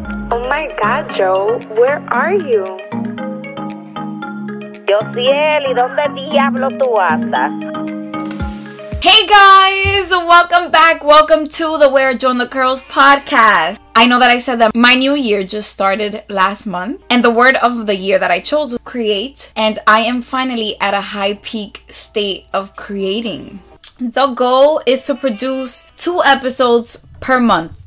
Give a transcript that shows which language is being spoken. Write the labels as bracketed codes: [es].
[en] Oh my God, Joe, where are you? [es] Dios ciel, ¿y dónde diablo tú andas? [en] Hey guys, welcome back. Welcome to the Where Joe and the Curls podcast. I know that I said that my new year just started last month, and the word of the year that I chose was create, and I am finally at a high peak state of creating. The goal is to produce 2 episodes per month.